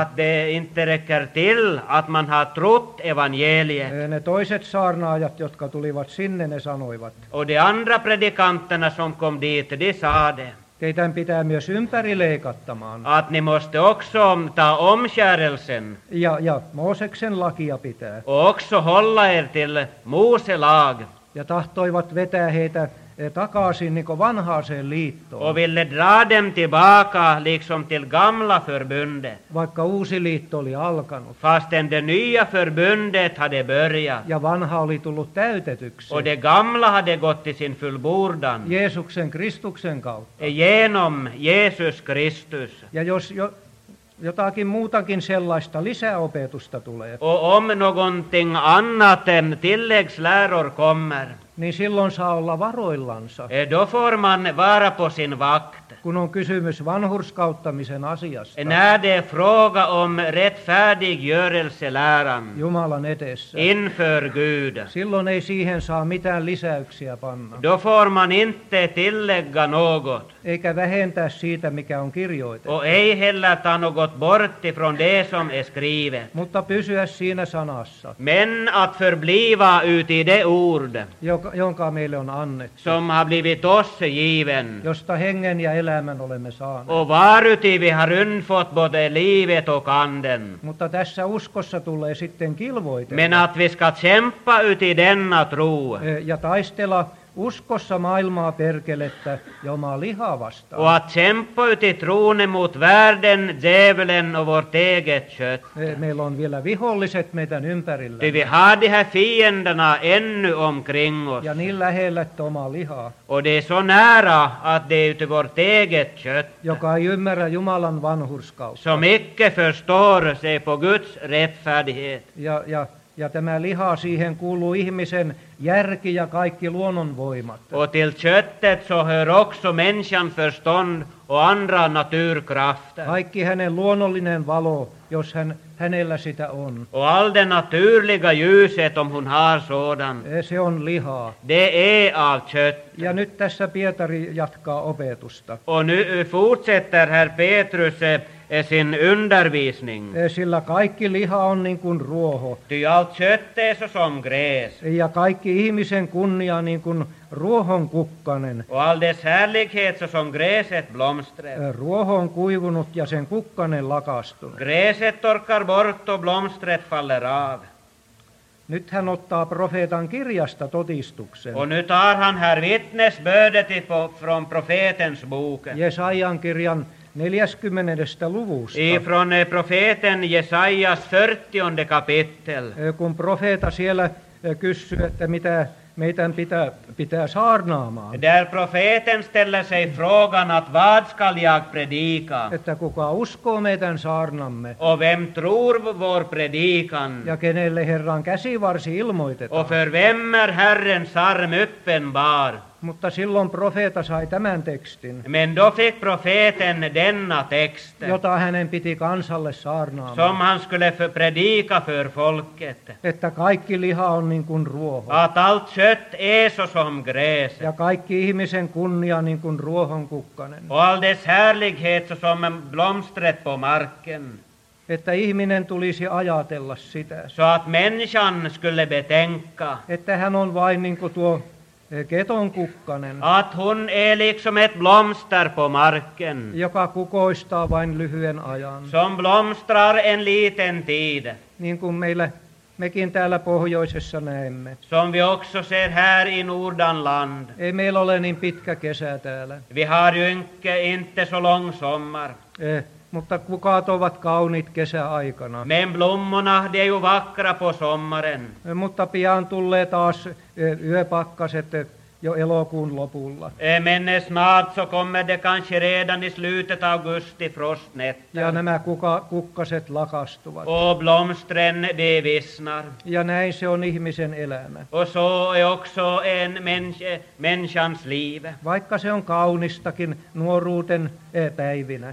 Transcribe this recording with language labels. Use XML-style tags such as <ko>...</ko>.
<sv>Att det inte räcker till att man har trott evangeliet.</sv> <fi>Ne toiset saarnaajat, jotka tulivat sinne, ne sanoivat.</fi> <sv>Och de andra predikanterna som kom dit, de sade.</sv> <fi>Teidän pitää myös ympärileikattamaan.</fi> <sv>Att ni måste också ta omskärelsen.</sv> <fi>Ja Mooseksen lakia pitää.</fi> <sv>Och också hålla er till Mose lag.</sv> <fi>Ja tahtoivat vetää heitä takaisin niin kuin vanhaaseen liittoon.</fi> <sv>Och ville dra dem tillbaka liksom till gamla förbundet.</sv> <fi>Vaikka uusi liitto oli alkanut.</fi> <sv>Fastän det nya förbundet hade börjat.</sv> <fi>Ja vanha oli tullut täytetyksi.</fi> <sv>Och det gamla hade gått till sin fullbordan.</sv> <fi>Jeesuksen Kristuksen kautta.</fi> <sv>Genom Jesus Kristus.</sv> <fi>Ja jos jotakin muutakin sellaista lisäopetusta tulee.</fi> <sv>Och om någonting annat än tilläggsläror kommer.</sv> <fi>Niin silloin saa olla varoillansa.</fi> <sv>Då får man vara på sin vakt.</sv> <fi>Kun on kysymys vanhurskauttamisen asiasta.</fi> <sv>När det är fråga om rättfärdiggörelseläran.</sv> <fi>Jumalan edessä.</fi> <sv>Inför Gud.</sv> <fi>Silloin ei siihen saa mitään lisäyksiä panna.</fi> <sv>Då får man inte tillägga något.</sv> <fi>Eikä vähentää siitä, mikä on kirjoitettu.</fi> <sv>Och ei heller ta något bort ifrån det som är skrivet.</sv> <fi>Mutta pysyä siinä sanassa.</fi> <sv>Men att förbliva ut i det ord.</sv> <fi>Jonka meille on annettu.</fi> <sv>Som har blivit oss given.</sv> <fi>Josta hengen ja elämän olemme saaneet.</fi> <sv>Och varuti vi har unfått både livet och anden.</sv> <fi>Mutta tässä uskossa tulee sitten kilvoitella.</fi> <sv>Men att vi ska kämpa ut i denna tro.</sv> <fi>Ja taistella uskossa maailmaa perkelettä ja omaa lihaa vastaan.</fi> <sv>Och att kämpa ut i tron emot världen, djävulen och vårt eget kött.</sv> <fi>Meillä on vielä viholliset meidän ympärillä.</fi> <sv>Ty vi har de här fienderna ännu omkring oss.</sv> <fi>Ja niin lähellä, että omaa lihaa.</fi> <sv>Och det är så nära att det är ut i vårt eget kött.</sv> <fi>Joka ei ymmärrä Jumalan vanhurskautta.</fi> <sv>Som icke förstår sig på Guds rättfärdighet.</sv> <fi>Ja tämä liha siihen kuuluu ihmisen järki ja kaikki luonnonvoimat.</fi> <sv>Och till köttet så hör också människan förstånd och andra naturkrafter.</sv> <fi>Kaikki hänen luonnollinen valo, jos hänellä sitä on.</fi> <sv>Och all det naturliga ljuset om hon har sådan.</sv> <fi>Se on lihaa.</fi> <sv>Det är av kött.</sv> <fi>Ja nyt tässä Pietari jatkaa opetusta.</fi> <sv>Och nu fortsätter herr Petrus sin undervisning.</sv> <fi>Sillä kaikki liha on niin kuin ruoho.</fi> <sv>Ty allt kött är så som gräs.</sv> <fi>Ja kaikki ihmisen kunnia niin kuin ruohon kukkanen.</fi> <sv>Och all dess härlighet så som gräset blomstret.</sv> <fi>Ruoho on kuivunut ja sen kukkanen lakastunut.</fi> <sv>Gräset torkar bort och blomstret faller av.</sv> <fi>Nyt hän ottaa profeetan kirjasta todistuksen.</fi> <sv>Och nu tar han här vittnesbödet från profetens bok.</sv> <fi>Jesajan kirjan 40. luvusta.</fi> <sv>Ifrån profeten Jesajas 40. kapitel.</sv> <fi>Kun profeeta siellä kysyy, että mitä meidän pitää saarnaamaan.</fi> <sv>Där profeten ställer sig frågan att vad ska jag predika.</sv> <fi>Että kuka uskoo meidän saarnamme.</fi> <sv>Och vem tror vår predikan.</sv> <fi>Ja kenelle Herran käsivarsi ilmoitetaan.</fi> <sv>Och för vem är Herren sarm uppenbar.</sv> <fi>Mutta silloin profeeta sai tämän tekstin.</fi> <sv>Men då fick profeten denna text.</sv> <fi>Jota hänen piti kansalle saarnaamaan.</fi> <sv>Som han skulle predika för folket.</sv> <fi>Että kaikki liha on niin kuin ruoho.</fi> <sv>Att allt kött är så som gräs.</sv> <fi>Ja kaikki ihmisen kunnia niin kuin ruohon kukkanen.</fi> <sv>Och all dess härlighet så som blomstret på marken.</sv> <fi>Että ihminen tulisi ajatella sitä.</fi> <sv>Så att människan skulle betänka.</sv> <fi>Että hän on vain niin kuin tuo keton kukkanen.</fi> <sv>Att hon är liksom ett blomster på marken.</sv> <fi>Joka kukoistaa vain lyhyen ajan.</fi> <sv>Som blomstrar en liten tid.</sv> <fi>Niin kuin mekin täällä pohjoisessa näemme.</fi> <sv>Som vi också ser här i Nordanland.</sv> <fi>Ei meillä ole niin pitkä kesä täällä.</fi> <sv>Vi har ju inte så lång sommar.</sv> <fi>Mutta kukat ovat kauniit kesäaikana.</fi> <sv>Men blommorna, de är ju vackra på sommaren.</sv> <fi>Mutta pian tulee taas yöpakkaset jo elokuun lopulla.</fi> <sv>Men snart så kommer det kanske redan i slutet augusti frostnätter.</sv> <fi>Ja nämä kukkaset lakastuvat.</fi> <sv>Och blomstren, de vissnar.</sv> <fi>Ja näin se on ihmisen elämä.</fi> <sv>Och så är också en människans liv.</sv> <fi>Vaikka se on kaunistakin nuoruuden päivinä.</fi>